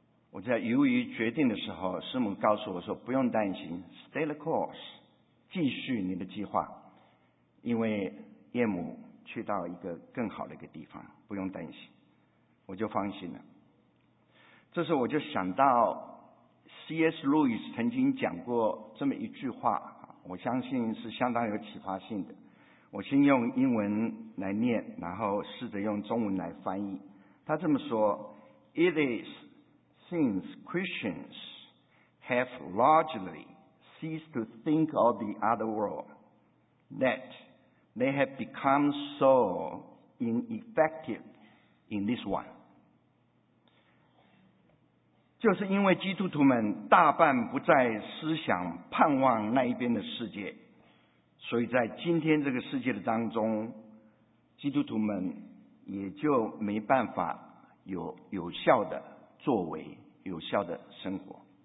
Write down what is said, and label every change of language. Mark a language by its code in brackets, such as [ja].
[zh] 我在犹豫决定的时候，师母告诉我说，不用担心， [en] stay the course， [zh] 继续你的计划，因为岳母去到一个更好的一个地方，不用担心。我就放心了。这时候我就想到 C.S. Lewis 曾经讲过这么一句话，我相信是相当有启发性的，我先用英文来念，然后试着用中文来翻译。他这么说， [en] It is since Christians have largely ceased to think of the other world that they have become so ineffective in this one。 [zh] 就是因为基督徒们大半不再思想盼望那一边的世界，所以在今天这个世界的当中，基督徒们也就没办法有效的作为、有效的生活。